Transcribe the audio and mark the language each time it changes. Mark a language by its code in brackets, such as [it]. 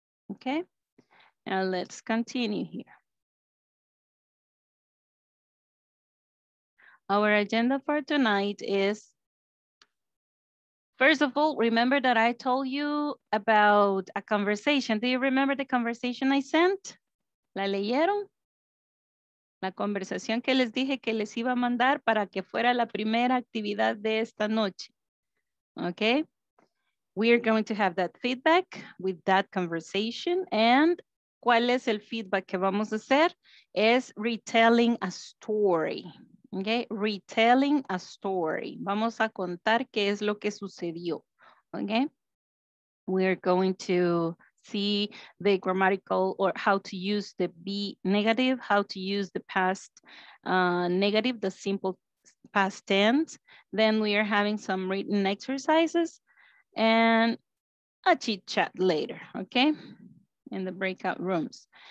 [en] Okay, now let's continue here. Our agenda for tonight is, first of all, remember that I told you about a conversation. Do you remember the conversation I sent? [es] ¿La leyeron? La conversación que les dije que les iba a mandar para que fuera la primera actividad de esta noche. [en] Okay. We are going to have that feedback with that conversation. [es] And ¿cuál es el feedback que vamos a hacer? Es [en] retelling a story. Okay, retelling a story. [es] Vamos a contar qué es lo que sucedió. [en] Okay, we're going to see the grammatical or how to use the be negative, how to use the past negative, the simple past tense. Then we are having some written exercises and a chit chat later, okay, in the breakout rooms.